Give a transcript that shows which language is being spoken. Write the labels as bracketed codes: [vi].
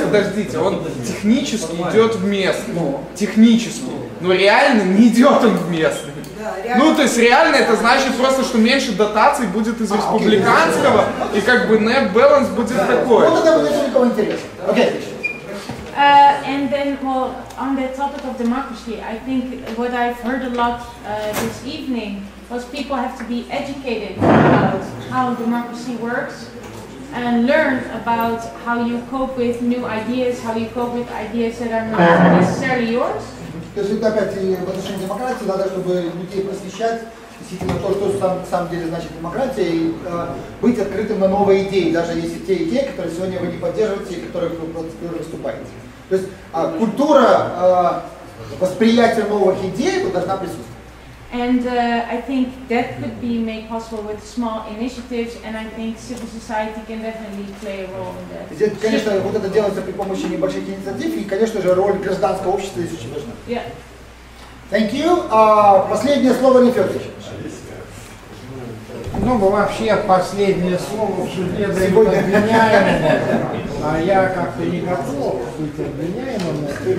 [ru] Подождите, он технически идет в местный. Технически. Но реально не идет он в местный. Ну, то есть реально это значит просто, что меньше дотаций будет из республиканского, и как бы [en] net balance [ru] будет такой. Вот это будет еще никого интересно. Окей. [en] And then, well, on the topic of democracy, I think what I've heard a lot this evening was people have to be educated about how democracy works and learn about how you cope with new ideas, how you cope with ideas that are not necessarily yours. [ru] То есть это опять и в отношении демократии надо, чтобы людей просвещать действительно то, что на самом деле значит демократия, и быть открытым на новые идеи, даже если те идеи, которые сегодня вы не поддерживаете и которые вы выступаете. То есть культура восприятия новых идей должна присутствовать. [en] And I think that could be made possible with small initiatives, and I think civil society can definitely play a role in that. [ru] Здесь, конечно, вот это делается при помощи небольших инициатив, и, конечно же, роль гражданского общества здесь очень важна. [en] Yeah. Thank you. [ru] Последнее слово, Лев Федорович. Ну, мы вообще последнее слово в суде даем обвиняемым, а я как-то не готов быть обвиняемым.